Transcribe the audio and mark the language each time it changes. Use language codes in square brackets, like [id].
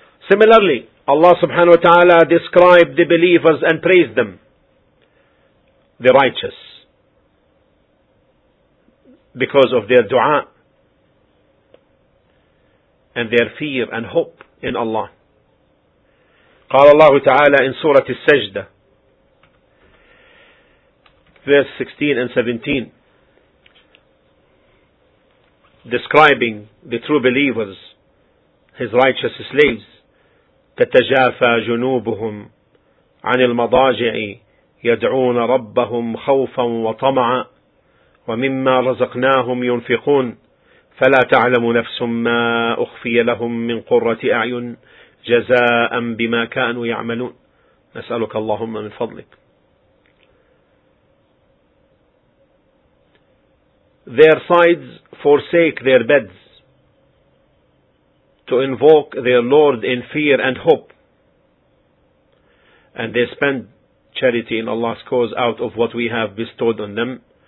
[en] Similarly, Allah subhanahu wa ta'ala described the believers and praised them, the righteous, because of their dua and their fear and hope in Allah. [ar] قال الله تعالى [en] in Surah Al-Sajda, verse 16 and 17, describing the true believers, his righteous slaves, [ar] تتجافى جنوبهم عن المضاجع يدعون ربهم خوفا وطمعا ومما رزقناهم ينفقون فلا تعلم نفس ما أخفي لهم من قرة أعين جزاء بما كانوا يعملون نسألك اللهم من فضلك. [en] Their sides forsake their beds to invoke their Lord in fear and hope, and they spend charity in Allah's cause out of what we have bestowed on them.